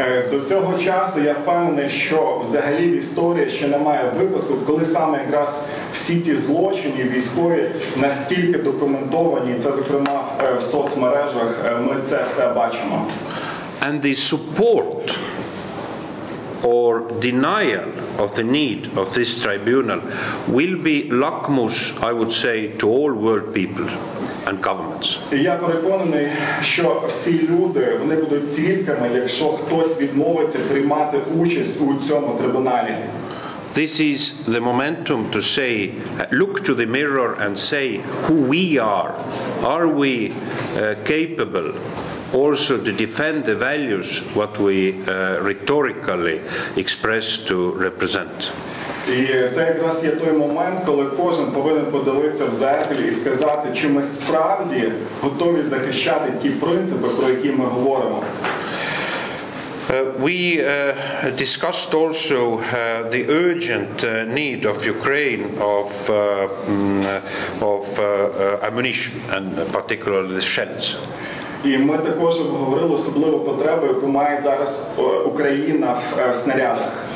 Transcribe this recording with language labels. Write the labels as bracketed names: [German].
[Ukrainian] До цього часу я впевнений, що взагалі в історії ще немає випадку, коли саме якраз всі ті злочини військові настільки документовані, це зокрема в соцмережах, ми це все бачимо. [English] And the support or denial of the need of this tribunal will be lakmus, I would say, to all world people. And governments. [Ukrainian] Я переконаний, що всі люди, вони будуть свідками, якщо хтось відмовиться приймати участь у цьому трибуналі. [English] This is the momentum to say, look to the mirror and say who we are. Are we capable also to defend the values what we rhetorically express to represent? [Ukrainian] І це якраз є той момент, коли кожен повинен подивитися в дзеркалі і сказати, чи ми справді готові захищати ті принципи, про які ми говоримо. [English] We discussed also the urgent need of Ukraine of ammunition and particularly the shells. [Ukrainian] І ми також обговорили особливу потребу, яку має зараз Україна в снарядах.